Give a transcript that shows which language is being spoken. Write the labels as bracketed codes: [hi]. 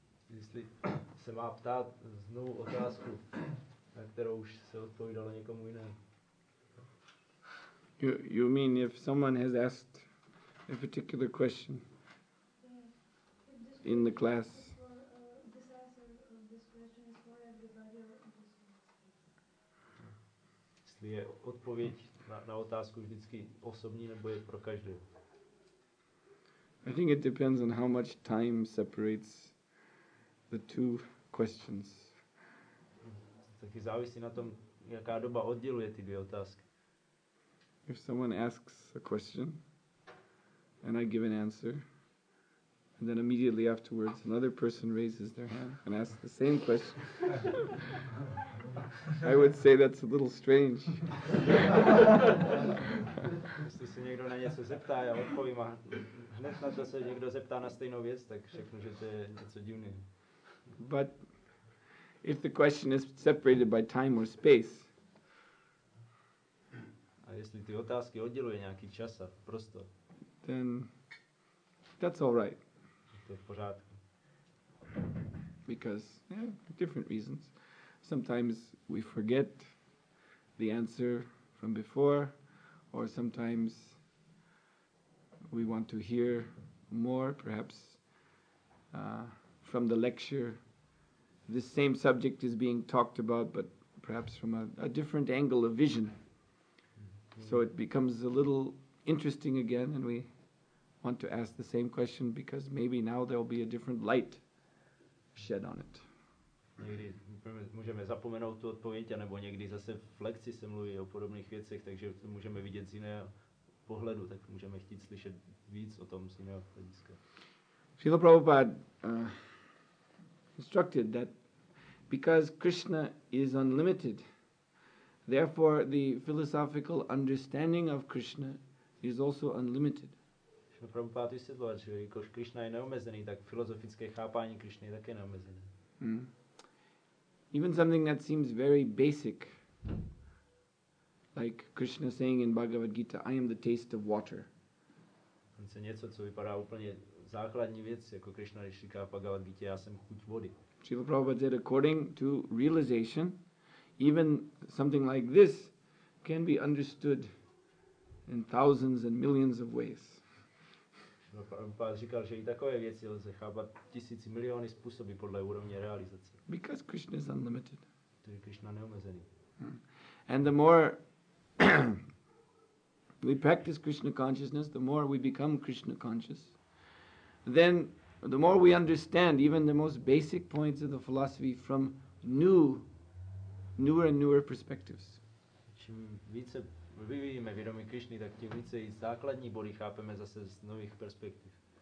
[cs] Jestli se má ptát znovu otázku, na kterou už se odpovídalo někomu jinému. [en] You mean if someone has asked a particular question in the class? [cs] Jestli je odpověď na otázku vždycky osobní nebo je pro každého? [en] I think it depends on how much time separates the two questions. [cs] Taky závisí na tom, jaká doba odděluje ty dvě otázky. [en] If someone asks a question and I give an answer, and then immediately afterwards another person raises their hand and asks the same question, I would say that's a little strange. [cs] Jestli se někdo na něco zeptá, já odpovím a hned na to se někdo zeptá na stejnou věc, tak řeknu, že to je něco divného. [en] But if the question is separated by time or space. [cs] A jestli ty otázky odděluje nějaký čas a prostor. [en] Then that's all right. [cs] To je v pořádku. [en] Because, for different reasons. Sometimes we forget the answer from before, or sometimes we want to hear more, perhaps, from the lecture. This same subject is being talked about, but perhaps from a different angle of vision. So it becomes a little interesting again, and we want to ask the same question because maybe now there will be a different light shed on it. [cs] Někdy můžeme zapomenout tu odpověď, anebo někdy zase v lekci se mluví o podobných věcech, takže to můžeme vidět z jiného pohledu, tak můžeme chtít slyšet víc o tom z jiného hlediska. [en] Srila Prabhupada instructed that because Krishna is unlimited, therefore the philosophical understanding of Krishna is also unlimited. [cs] Srila Prabhupada vysvětloval, že jakož Krishna je neomezený, tak filozofické chápání Krishna je také neomezené. [en] Even something that seems very basic, like Krishna saying in Bhagavad Gita, I am the taste of water. [cs] Něco, co vypadá úplně základní věc, jako Krishna, když říká v Bhagavad Gita, já jsem chuť vody. [en] Srila Prabhupada said, according to realization, even something like this can be understood in thousands and millions of ways. [cs] Srila Prabhupada říkal, že i takové věci lze chápat tisíci, miliony způsoby podle úrovně realizace. [en] Because Krishna is unlimited. [cs] To je Krishna neomezený. [en] And the more we practice Krishna consciousness, the more we become Krishna conscious, then the more we understand even the most basic points of the philosophy from newer and newer perspectives. [cs] Čím více vyvíjíme vědomí Krišny, tak tím více i základní body chápeme zase z nových perspektiv.